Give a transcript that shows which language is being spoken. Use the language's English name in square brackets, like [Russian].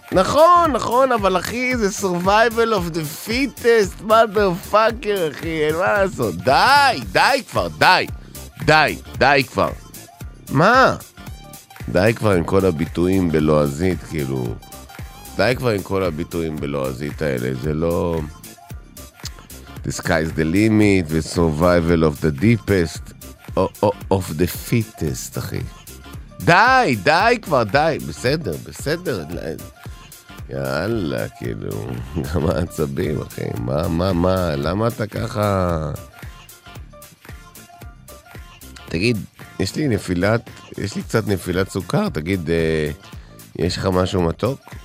[Hebrew] נכון, נכון, אבל אחי, זה [English] survival of the fittest, motherfucker, [Hebrew] אחי, אין מה לעשות. די, די כבר, די, די, די כבר. מה? די כבר עם כל הביטויים בלועזית, כאילו, די כבר עם כל הביטויים בלועזית האלה, זה לא... [English] The sky is the limit, the survival of the deepest, of the fittest, [Hebrew] אחי. די, די כבר, די. בסדר, בסדר. יאללה, כאילו, גם העצבים, אחי. מה, למה אתה ככה... תגיד, יש לי קצת נפילת סוכר, תגיד, יש לך משהו מתוק?